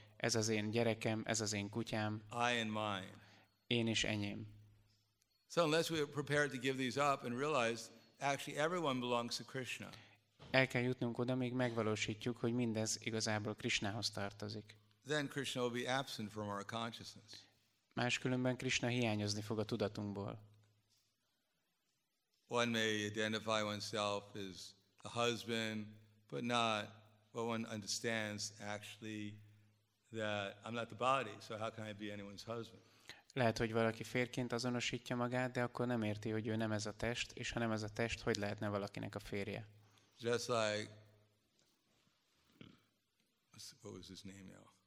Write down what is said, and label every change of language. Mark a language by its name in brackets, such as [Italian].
[Hungarian] Ez az én gyerekem, ez az én kutyám. [English] I and mine. [Hungarian] Én is enyém. [English] So unless we are prepared to give these up and realize actually everyone belongs to Krishna. [Hungarian] El kell jutnunk oda, míg megvalósítjuk, hogy mindez igazából Krishnához tartozik. [English] Then Krishna will be absent from our consciousness. [Hungarian] Máskülönben Krishna hiányozni fog a tudatunkból. [English] One may identify oneself as a husband, but not what one understands actually that I'm not the body, so how can I be anyone's husband? [Hungarian] Lehet, hogy valaki férként azonosítja magát, de akkor nem érti, hogy ő nem ez a test, és ha nem ez a test, hogy lehetne valakinek a férje? [English] Just like, what was his name now?